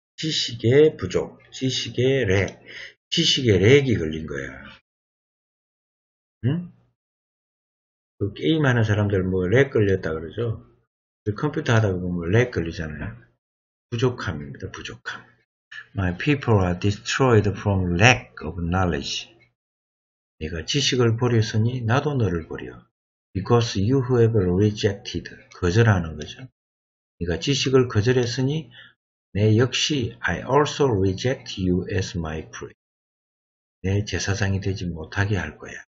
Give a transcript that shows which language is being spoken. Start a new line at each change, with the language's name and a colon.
Korean: 지식의 부족, 지식의 렉, 지식의 렉이 걸린 거야. 응? 그 게임하는 사람들 뭐 렉 걸렸다 그러죠? 그 컴퓨터 하다 보면 뭐 렉 걸리잖아요. 부족함입니다. 부족함.
English: My people are destroyed from lack of knowledge.
Korean: 내가 지식을 버렸으니 나도 너를 버려.
English: Because you have rejected.
Korean: 거절하는 거죠. 네가 지식을 거절했으니 내 역시
English: I also reject you as my priest.
Korean: 내 제사장이 되지 못하게 할 거야.